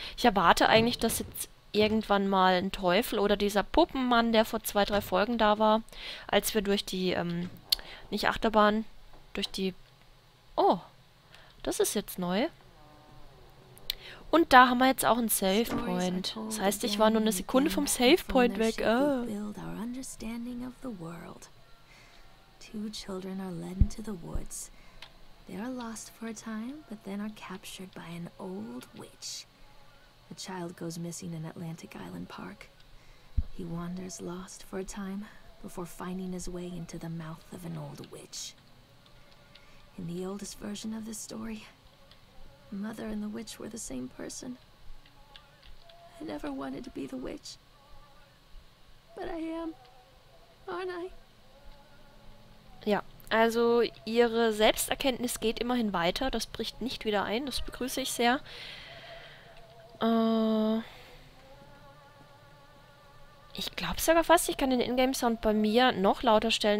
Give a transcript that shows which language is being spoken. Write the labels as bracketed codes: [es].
[de] Ich erwarte eigentlich, dass jetzt irgendwann mal ein Teufel oder dieser Puppenmann, der vor zwei, drei Folgen da war, als wir durch die, nicht Achterbahn, durch die. Oh, das ist jetzt neu. Und da haben wir jetzt auch einen Save Point. Das heißt, ich war nur eine Sekunde vom Save Point weg. Oh. [en] Understanding of the world. Two children are led into the woods. They are lost for a time, but then are captured by an old witch. A child goes missing in Atlantic Island Park. He wanders lost for a time before finding his way into the mouth of an old witch. In the oldest version of the story, Mother and the witch were the same person. I never wanted to be the witch. But I am, aren't I? [de] Ja, also ihre Selbsterkenntnis geht immerhin weiter. Das bricht nicht wieder ein. Das begrüße ich sehr. Ich glaube sogar fast, ich kann den Ingame-Sound bei mir noch lauter stellen.